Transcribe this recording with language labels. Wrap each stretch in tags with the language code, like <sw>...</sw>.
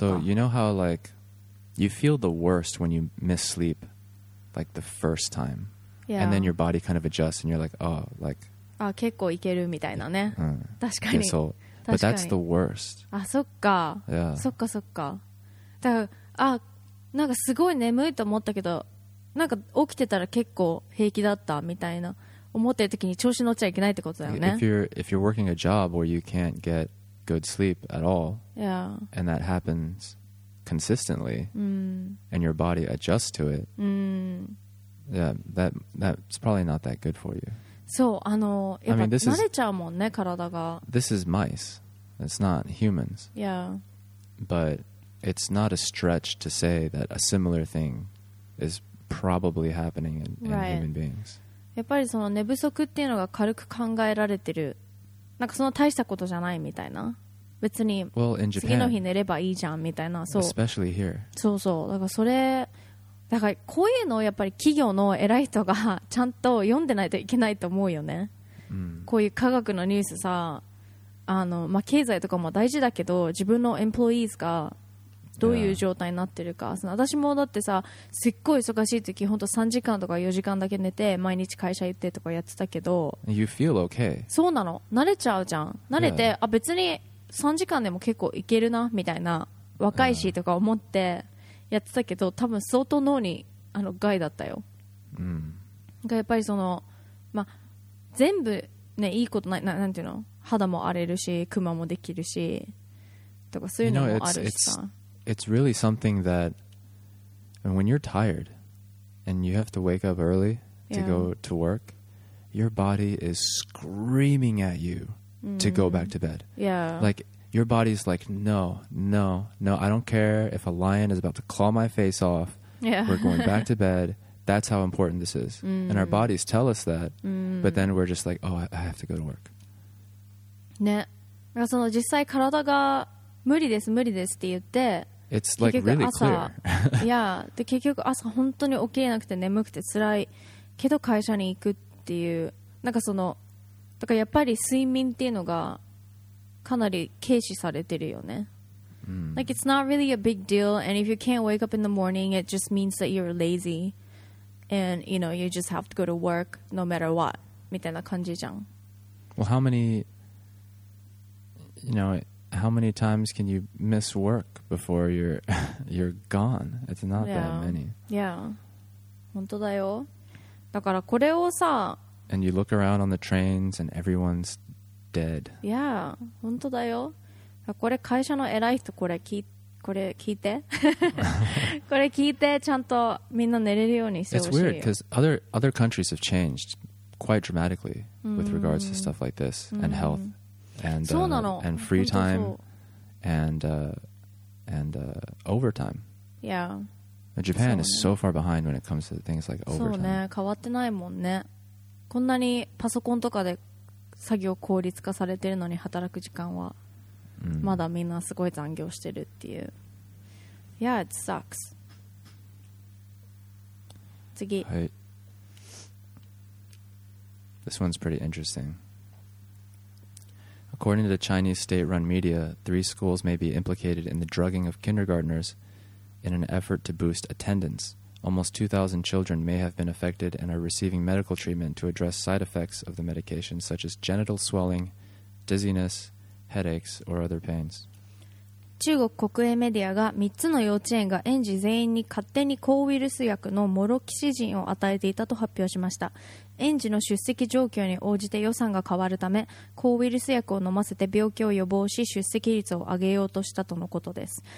<en>So you know how like you feel the worst when you miss sleep, like the first time. Yeah. And then your body kind of adjusts, and you're like, oh, like.</en> <ja>Ah, 結構いけるみたいなね。確かに。</ja> <en>Yeah, so, but that's the worst.</en> <ja>Ah, そっか。</ja> <en>Yeah.</en> <ja>そっかそっか。だからあ。なんかすごい眠いと思ったけどなんか起きてたら結構平気だったみたいな思ってる時に調子乗っちゃいけないってことだよね。</ja> <en>If you're working a job where you can't get good sleep at all, yeah. And that happens consistently, and your body adjusts to it, yeah, that's probably not that good for you.</en> <ja>そう、あの、やっぱ慣れちゃうもんね、体が。</ja> <en>This is mice. It's not humans. Yeah. ButIt's not a stretch to say that a similar thing is probably happening in human beings.</en> <ja>やっぱりその寝不足っていうのが軽く考えられてる。なんかその大したことじゃないみたいな。別に次の日寝ればいいじゃんみたいな。そう。</ja> <en>Especially here.</en> <ja>そうそう。だからそれ、だからこういうのをやっぱり企業の偉い人がちゃんと読んでないといけないと思うよね。こういう科学のニュースさ、あの、まあ、経済とかも大事だけど、自分のエンプロイーズがどういう状態になってるか、その私もだってさ、すっごい忙しい時、本当3時間とか4時間だけ寝て毎日会社行ってとかやってたけど、</ja> <en>You feel okay.</en> <ja>そうなの、慣れちゃうじゃん、慣れて、あ、別に3時間でも結構いけるなみたいな、若いしとか思ってやってたけど、多分相当脳にあの害だったよ、やっぱりその、ま、全部、ね、いいことない、なんていうの、肌も荒れるしクマもできるしとかそういうのもあるしさ、</ja> <en>It's really something that, and when you're tired and you have to wake up early to go to work, your body is screaming at you to go back to bed. Yeah. Like, your body's like, no, no, no, I don't care if a lion is about to claw my face off. Yeah. We're going back to bed. That's how important this is. And our bodies tell us that, but then we're just like, oh, I have to go to work.</en> <ja>ね。だからその実際体が無理です無理ですって言って、</ja> <en>It's like、</en> <ja>結局朝、</ja> <en>really、</en> <ja>いやで結局朝本当に起きれなくて眠くて辛いけど会社に行くっていう、なんかそのだからやっぱり睡眠っていうのがかなり軽視されてるよね、</ja> <en>Like it's not really a big deal, and if you can't wake up in the morning, it just means that you're lazy and you know you just have to go to work no matter what</en> <ja>みたいな感じじゃん。</ja> <en>Well, how many you know itHow many times can you miss work before you're gone? It's not that many.</en> <ja>Yeah. 本当だよ。だからこれをさ、</ja> <en>And you look around on the trains and everyone's dead.</en> <ja>Yeah. 本当だよ。これ会社の偉い人これ聞いて。これ聞いてちゃんとみんな寝れるようにしてほしい。</ja> <en>It's weird because other countries have changed quite dramatically with regards to stuff like this and health. And,</en> <ja>そうなの。</ja> <en>And free time and overtime. Yeah. Japan is so far behind when it comes to things like overtime.</en> <ja>そうね、変わってないもんね。こんなにパソコンとかで作業効率化されてるのに働く時間はまだみんなすごい残業してるっていう。</ja> <en>Yeah, it sucks.</en> <ja>次。はい。</ja> <en>This one's pretty interesting. According to the Chinese state-run media, three schools may be implicated in the drugging of kindergartners in an effort to boost attendance. Almost 2,000 children may have been affected and are receiving medical treatment to address side effects of the medication, such as genital swelling, dizziness, headaches, or other pains.</en> <ja>中国国営メディアが3つの幼稚園が園児全員に勝手に抗ウイルス薬のモロキシジンを与えていたと発表しました。園児の出席状況に応じて予算が変わるため抗ウイルス薬を飲ませて病気を予防し出席率を上げようとしたとのことです。</ja>